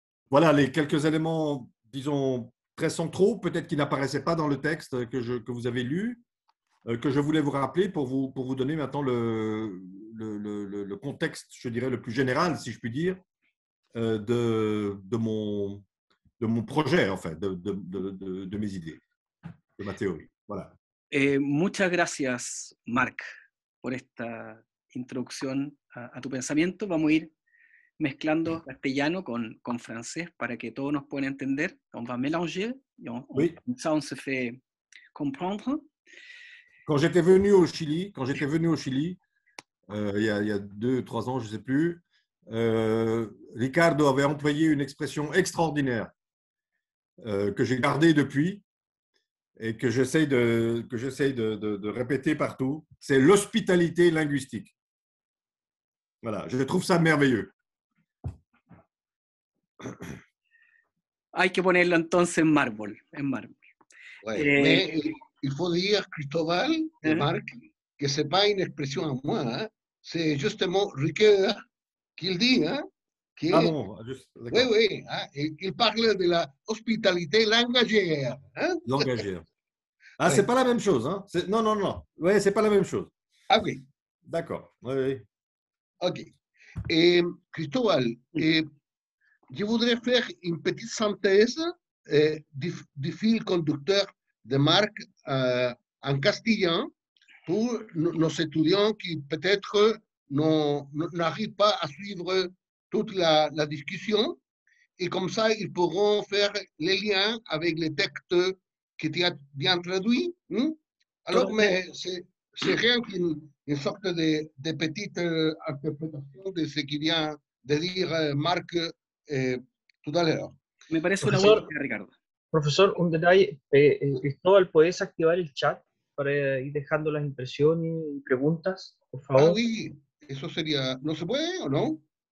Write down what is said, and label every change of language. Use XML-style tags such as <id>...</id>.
<fr>Voilà les quelques éléments, disons, très centraux, peut-être qui n'apparaissaient pas dans le texte que vous avez lu, que je voulais vous rappeler pour vous donner maintenant le contexte, je dirais, le plus général, si je puis dire, de mon projet, en fait, de mes idées, de ma théorie. Voilà.</fr> <es>Muchas gracias, Marc, por esta introducción a tu pensamiento. Vamos a ir mezclando castellano con francés para que todos nos puedan entender.</es> <fr>On va mélanger, on se fait comprendre. Quand j'étais venu au Chili, il y a 2-3 ans, je ne sais plus, Ricardo avait employé une expression extraordinaire que j'ai gardée depuis et que j'essaye de répéter partout. C'est l'hospitalité linguistique. Voilà, je trouve ça merveilleux.</fr> <es>Hay que ponerlo entonces en mármol, en mármol.</es> <fr>Il faut dire, Cristobal et Marc, que ce n'est pas une expression à moi, hein. C'est justement Riqueda qui le dit. Hein, qui... Ah bon, juste, oui, oui, hein, il parle de l'hospitalité langagière. Hein. Langagière. Ah, ouais. C'est pas la même chose. Hein. C'est... Non. Oui, c'est pas la même chose. Ah oui. D'accord. Oui, oui. Ok. Cristobal, je voudrais faire une petite synthèse du fil conducteur de Marc en castillan pour nos étudiants qui peut-être n'arrivent pas à suivre toute la discussion et comme ça ils pourront faire les liens avec les textes que tu as bien traduits. Hein? Alors, mais c'est rien qu'une sorte de petite interprétation de ce qu'il vient de dire Marc tout à l'heure.</fr> <es>Me parece una buena idea, Ricardo. Profesor, un detalle. Cristóbal, ¿puedes activar el chat para ir dejando las impresiones y preguntas, por favor?</es> <fr>Ah, oui.</fr> <es>Eso sería... ¿No se puede o no?</es>